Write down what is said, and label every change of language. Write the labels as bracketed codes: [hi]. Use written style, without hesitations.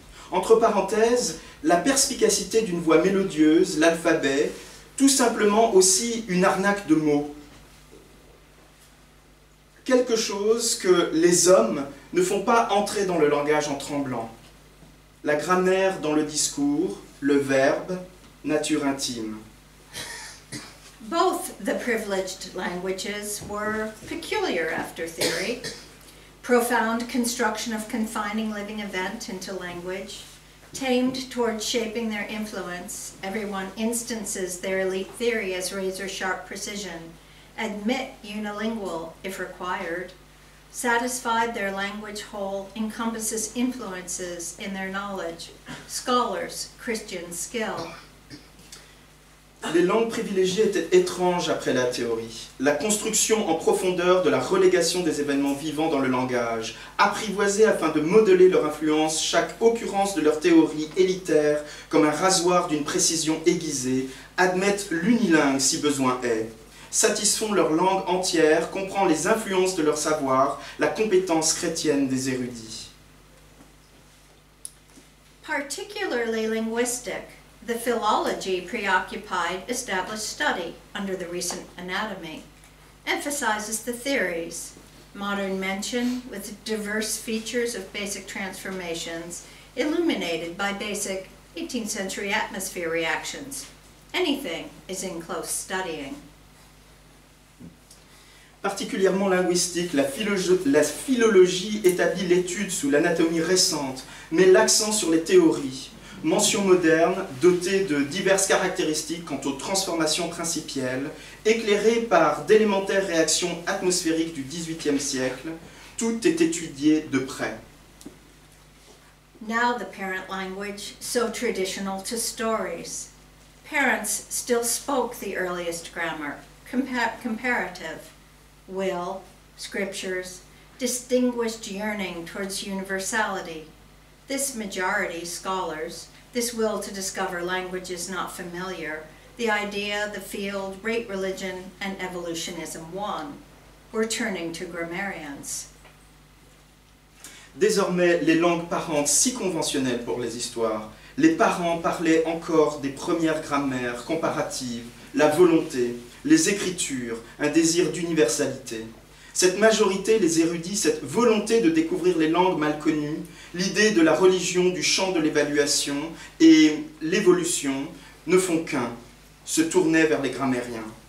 [fr] Entre parenthèses, la perspicacité d'une voix mélodieuse, l'alphabet, tout simplement aussi une arnaque de mots. Quelque chose que les hommes ne font pas entrer dans le langage en tremblant. La grammaire dans le discours, le verbe, nature intime. [en] Both the privileged languages were peculiar after theory. Profound construction of confining living event into language, tamed toward shaping their influence, everyone instances their elite theory as razor-sharp precision, admit unilingual if required, satisfied their language whole encompasses influences in their knowledge, scholars, Christian skill. [fr] Les langues privilégiées étaient étranges après la théorie. La construction en profondeur de la relégation des événements vivants dans le langage, apprivoisée afin de modeler leur influence, chaque occurrence de leur théorie élitaire comme un rasoir d'une précision aiguisée, admettent l'unilingue si besoin est. Satisfont leur langue entière, comprend les influences de leur savoir, la compétence chrétienne des érudits. [en] Particularly linguistic, the philology preoccupied established study under the recent anatomy emphasizes the theories, modern mention with diverse features of basic transformations illuminated by basic 18th century atmosphere reactions. Anything is in close studying. [fr] Particulièrement linguistique, la philologie établit l'étude sous l'anatomie récente, met l'accent sur les théories. Mention moderne, dotée de diverses caractéristiques quant aux transformations principielles, éclairée par d'élémentaires réactions atmosphériques du XVIIIe siècle, tout est étudié de près. [en] Now the parent language, so traditional to stories. Parents still spoke the earliest grammar, comparative. Will, scriptures, distinguished yearning towards universality. This majority, scholars, this will to discover languages not familiar, the idea, the field, rate religion, and evolutionism won. We're turning to grammarians. [fr] Désormais, les langues parentes si conventionnelles pour les histoires, les parents parlaient encore des premières grammaires comparatives, la volonté, les écritures, un désir d'universalité. Cette majorité, les érudits, cette volonté de découvrir les langues mal connues, l'idée de la religion, du champ de l'évaluation et l'évolution ne font qu'un, se tourner vers les grammairiens.